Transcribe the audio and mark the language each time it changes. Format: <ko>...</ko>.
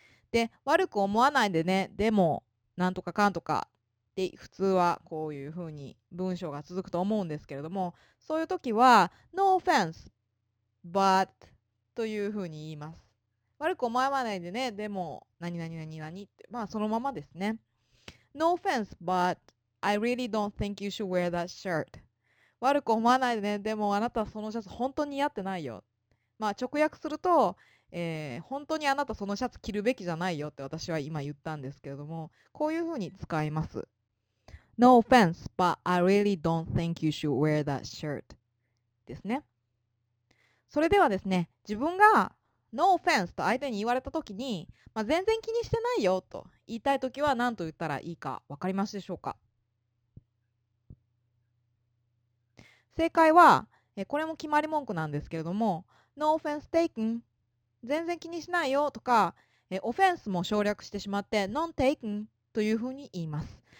<ja>で、悪く思わないでね、でもなんとかかんとかで、普通はこういうふうに文章が続くと思うんですけれども、そういう時は</ja> <en>No offense, but</en> <ja>というふうに言います。悪く思わないでね、でも何々何々って、まあそのままですね。</ja> <en>No offense, but I really don't think you should wear that shirt.</en> <ja>悪く思わないでね、でもあなたそのシャツ本当に似合ってないよ。まあ直訳すると、本当にあなたそのシャツ着るべきじゃないよって私は今言ったんですけれども、こういうふうに使います。</ja> <en>No offense, but I really don't think you should wear that shirt</en> <ja>ですね。それではですね、自分が</ja> <en>No offense</en> <ja>と相手に言われた時に、まあ、全然気にしてないよと言いたい時は何と言ったらいいか分かりますでしょうか。正解は、これも決まり文句なんですけれども、</ja> <en>No offense taken、</en> <ja>全然気にしないよとか、オフェンスも省略してしまって</ja> <en>non taken</en> <ja>というふうに言います。</ja>